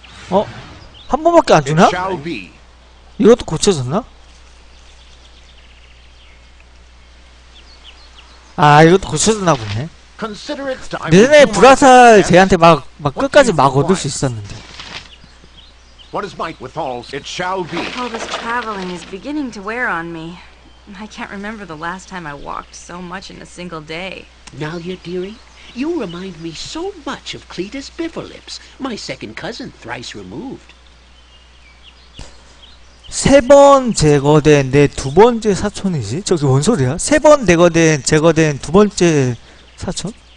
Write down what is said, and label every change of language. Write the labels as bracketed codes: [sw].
[ko] 어? 한 번밖에 안 주나? 이것도 고쳐졌나? 아, 이것도 고쳐졌나 보네. 내내 불화살 쟤한테 막 끝까지 막 얻을 수 있었는데. [en] What is my with all it shall be. All this traveling is beginning to wear on me. I can't remember the last time I walked so much in a single day. Now, you dearie, you remind me so much of Cletus Biverlips, my second cousin thrice removed. [ko] 세 번 제거된 내 두 번째 사촌이지? 저게 뭔 소리야? 세 번 제거된 두 번째 사촌?